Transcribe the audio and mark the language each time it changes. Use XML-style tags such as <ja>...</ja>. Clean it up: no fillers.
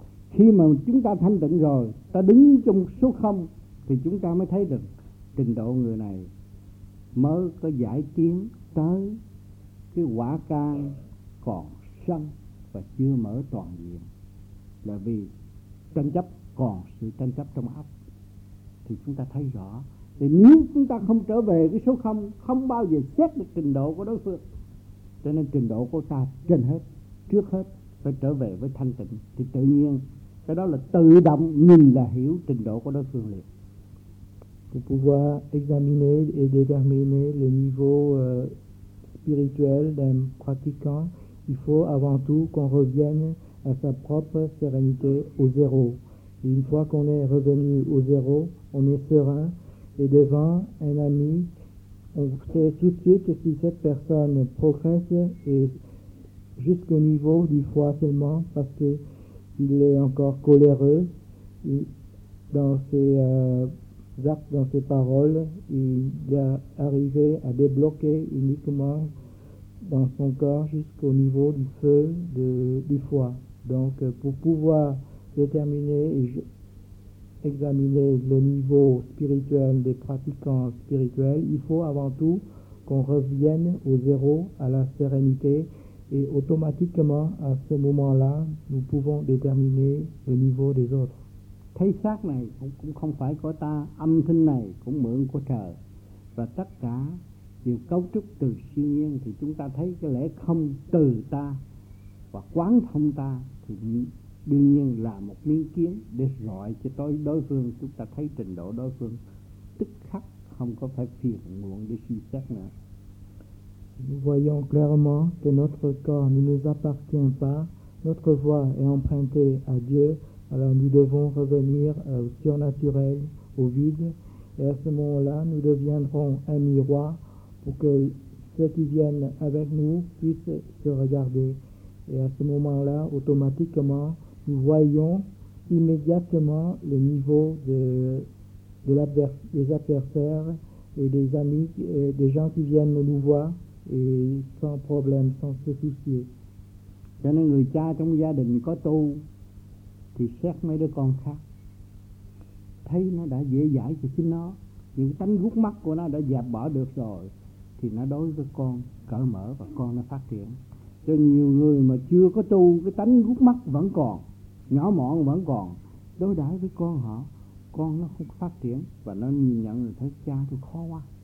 <vi>Khi mà chúng ta thanh tịnh rồi, ta đứng trong số không thì chúng ta mới thấy được trình độ người này mới có giải tiến tới cái quả can còn sân và chưa mở toàn diện, là vì tranh chấp, còn sự tranh chấp trong óc thì chúng ta thấy rõ. Thì nếu chúng ta không trở về cái số không, không bao giờ xét được trình độ của đối phương. Cho nên trình độ của ta trên hết, trước hết phải trở về với thanh tịnh, thì tự nhiên cái đó là tự động nhìn là hiểu trình độ của đối phương liền.</vi> <fr>Pour pouvoir examiner et déterminer le niveau spirituel d'un pratiquant, Il faut avant tout qu'on revienne à sa propre sérénité, au zéro. Et une fois qu'on est revenu au zéro, on est serein et devant un ami, on sait tout de suite si cette personne progresse et jusqu'au niveau du foie seulement parce qu'il est encore coléreux dans ses actes, dans ses paroles. Il est arrivé à débloquer uniquement dans son corps jusqu'au niveau du feu du foie. Donc pour pouvoir déterminer et examiner le niveau spirituel des pratiquants spirituels, il faut avant tout qu'on revienne au zéro, à la sérénité, et automatiquement à ce moment-là, nous pouvons déterminer le niveau des autres.</fr> <vi>Thấy xác này cũng không phải của ta, âm thanh này cũng mượn của trời, và tất cả đều cấu trúc từ siêu nhiên, thì chúng ta thấy cái lẽ không từ ta và quán thông ta thì đương nhiên là một miếng kiến để gọi cho tôi đối phương. Chúng ta thấy trình độ đối phương tức khắc, không có phải phiền muộn để suy xét nữa.</vi> <fr>Nous voyons clairement que notre corps ne nous appartient pas, notre voix est empruntée à Dieu, alors nous devons revenir au surnaturel, au vide, et à ce moment-là nous deviendrons un miroir pour que ceux qui viennent avec nous puissent se regarder. Et à ce moment-là, automatiquement, nous voyons immédiatement le niveau des adversaires et des amis, et des gens qui viennent nous voir, et sans problème, sans se soucier.</fr> <vi>Cho nên người cha trong gia đình có tu thì xét mấy đứa con khác, thấy nó đã dễ dãi cho chính nó, những tánh gút mắt của nó đã dẹp bỏ được rồi, thì nó đối với con cởi mở và con nó phát triển. Cho nhiều người mà chưa có tu, cái tánh gút mắt vẫn còn, nhỏ mọn vẫn còn, đối đãi với con họ, con nó không phát triển, và nó nhìn nhận là thấy cha tôi khó quá.</vi>